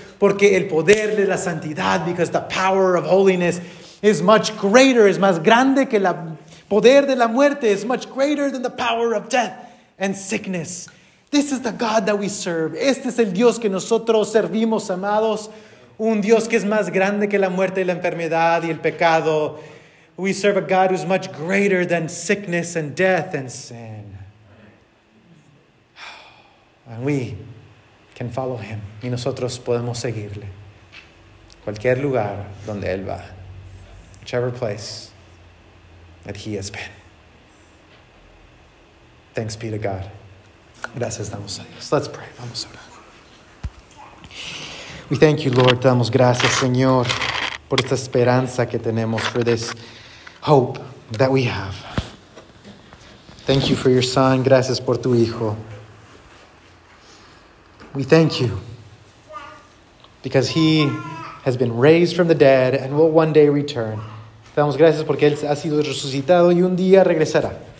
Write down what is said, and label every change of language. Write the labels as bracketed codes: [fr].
[es] Porque el poder de la santidad, [en] because the power of holiness is much greater, is [es] más grande que el poder de la muerte, [en] is much greater than the power of death and sickness. This is the God that we serve. [es] Este es el Dios que nosotros servimos, amados. Un Dios que es más grande que la muerte y la enfermedad y el pecado. [en] We serve a God who's much greater than sickness and death and sin. And we can follow him. [es] Y nosotros podemos seguirle. Cualquier lugar donde él va. [en] Whichever place that he has been. Thanks be to God. [es] Gracias damos a Dios. [en] Let's pray. [es] Vamos a orar. [en] We thank you, Lord. [es] Te damos gracias, Señor, por esta esperanza que tenemos, [en] for this hope that we have. Thank you for your son. [es] Gracias por tu hijo. [en] We thank you because he has been raised from the dead and will one day return. [es] Te damos gracias porque él ha sido resucitado y un día regresará.